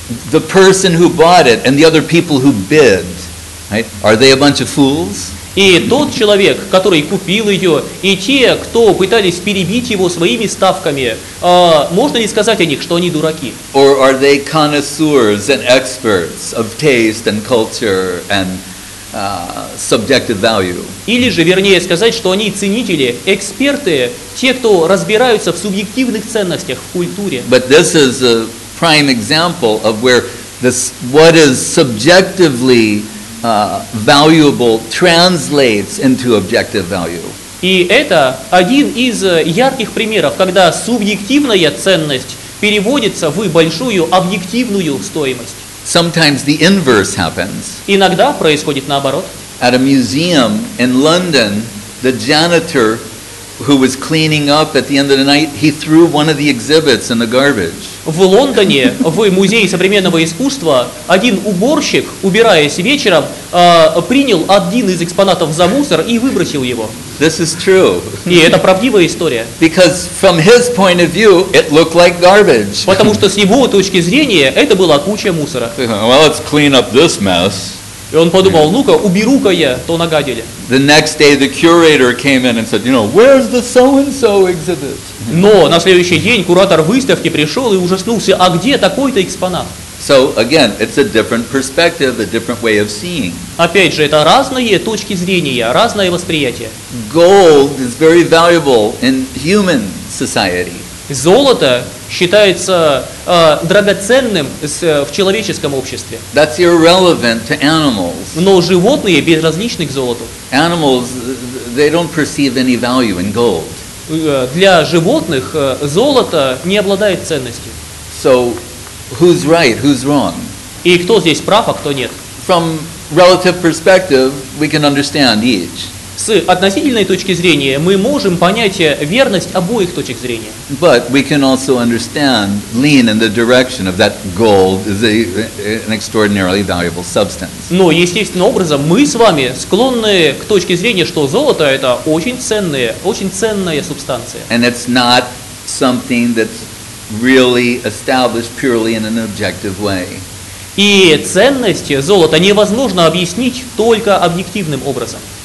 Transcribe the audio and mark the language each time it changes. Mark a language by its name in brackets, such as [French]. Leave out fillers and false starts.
[English] The person who bought it and the other people who bid, right? Are they a bunch of fools? [Russian] И тот человек, который купил ее, и те, кто пытались перебить его своими ставками, можно ли сказать о них, что они дураки? [English] Or are they connoisseurs and experts of taste and culture and subjective value? [Russian] Или же, вернее сказать, что они ценители, эксперты, те, кто разбираются в субъективных ценностях, в культуре. [English] But this is a prime example of where this what is subjectively valuable translates into objective value. [Russian] И это один из ярких примеров, когда субъективная ценность переводится в большую объективную стоимость. [English] Sometimes the inverse happens. [Russian] Иногда происходит наоборот. [English] At a museum in London, the janitor who was cleaning up at the end of the night, he threw one of the exhibits in the garbage. [Russian] В Лондоне, в музее современного искусства, один уборщик, убираясь вечером, принял один из экспонатов за мусор и выбросил его. [English] This is true. [Russian] И это правдивая история. [English] Because from his point of view, it looked like garbage. [Russian] Потому что с его точки зрения, это была куча мусора. [English] Well, let's clean up this mess. [Russian] И он подумал, ну-ка, уберу-ка я то нагадили. [English] The next day the curator came in and said, you know, where's the so-and-so exhibit? [Russian] Но на следующий день куратор выставки пришел и ужаснулся, а где такой-то экспонат? [English] So again, it's a different perspective, a different way of seeing. [Russian] Опять же, это разные точки зрения, разное восприятие. [English] Gold is very valuable in human society. [Russian] Золото считается драгоценным в человеческом обществе. [English] That's irrelevant to animals. [Russian] Но животные безразличны к золоту. [English] Animals, they don't perceive any value in gold. [Russian] Для животных золото не обладает ценностью. [English] So, who's right, who's wrong? [Russian] И кто здесь прав, а кто нет? [English] From relative perspective, we can understand each. [Russian] С относительной точки зрения мы можем понять верность обоих точек зрения. [English] But we can also understand, lean in the direction of that gold is an extraordinarily valuable substance. [Russian] Но естественным образом мы с вами склонны к точке зрения, что золото это очень ценная субстанция. [English] And it's not something that's really established purely in an objective way. [Russian] И ценность золота невозможно объяснить только объективным образом.